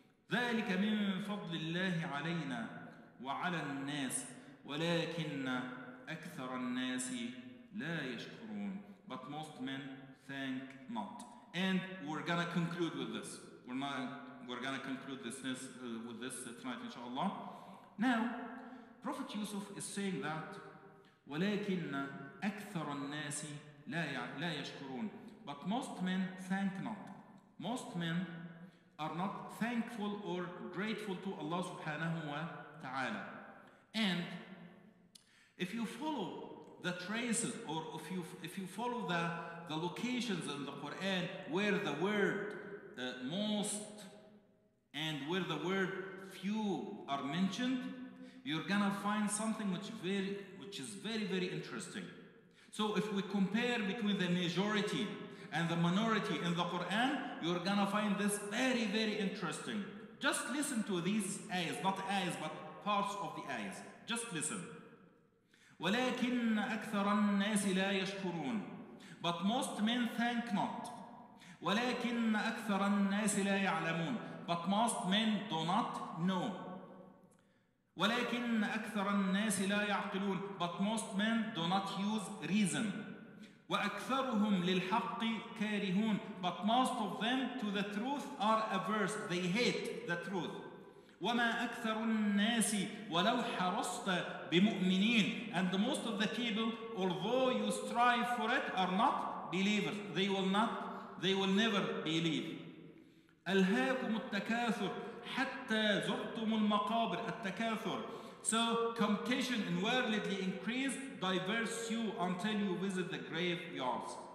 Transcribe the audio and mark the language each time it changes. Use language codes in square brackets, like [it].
[ar] ذلك من فضل الله علينا وعلى الناس ولكن أكثر الناس لا يشكرون. [en] But most men thank not. And we're gonna conclude with this. We're gonna conclude this tonight, inshallah. Now, Prophet Yusuf is saying that [ar] ولكن أكثر الناس لا يشكرون. [en] But most men thank not. Most men are not thankful or grateful to Allah subhanahu wa ta'ala. And if you follow the traces, or if you follow the locations in the Quran where the word most and where the word few are mentioned, you're gonna find something which is very, very interesting. So if we compare between the majority and the minority in the Quran, you're gonna find this very, very interesting. Just listen to these ayahs, not ayahs, but parts of the ayahs. Just listen. [ar] ولكن أكثر الناس لا يشكرون. [en] But most men thank not. [ar] ولكن أكثر الناس لا يعلمون. [en] But most men do not know. [ar] ولكن أكثر الناس لا يعقلون. [en] But most men do not use reason. [ar] وأكثرهم للحق كارهون. [en] But most of them to the truth are averse. They hate the truth. [ar] وما أكثر الناس ولو حرصت بمؤمنين. [en] And most of the people, although you strive for it, are not believers. They will never believe. [ar] ألهاكم التكاثر حتى زرتم المقابر. التكاثر. [en] So competition and worldly increase diverts you until you visit the graveyards.